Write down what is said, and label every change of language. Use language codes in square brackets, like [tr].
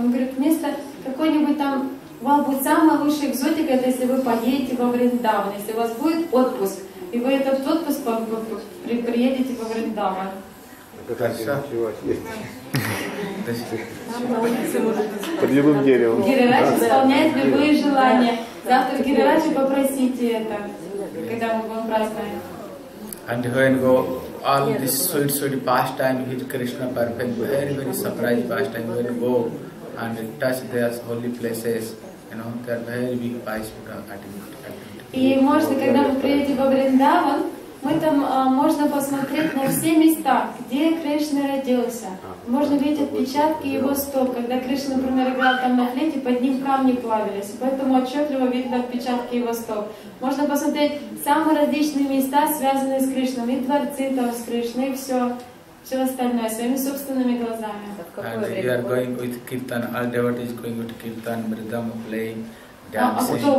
[ru] Он говорит, вместо какой-нибудь там. У вас будет самая лучшая экзотика, это если вы поедете во Вриндаван, если у вас будет отпуск, и вы этот отпуск приедете во Вриндаван. Под любым деревом. Гирирадж исполняет любые желания. Завтра Гирирадж попросите это, когда мы будем праздновать. [en] And when go all this sweet, sweet pastime with Krishna, perfect, very, very surprised pastime when you go and touch their holy places, you know, they are very big pastime attribute. [ru] И можно, когда вы приедете во Вриндаван, мы там можно посмотреть на все места, где Кришна родился. Можно видеть отпечатки его стоп, когда Кришна, например, играл там на флейте, под ним камни плавились. Поэтому отчетливо видно отпечатки его стоп. Можно посмотреть самые различные места, связанные с Кришном, и дворцы там с Кришной, и все. [en] And we are going with Kirtan, all devotees going with Kirtan, Mridam playing, dancing.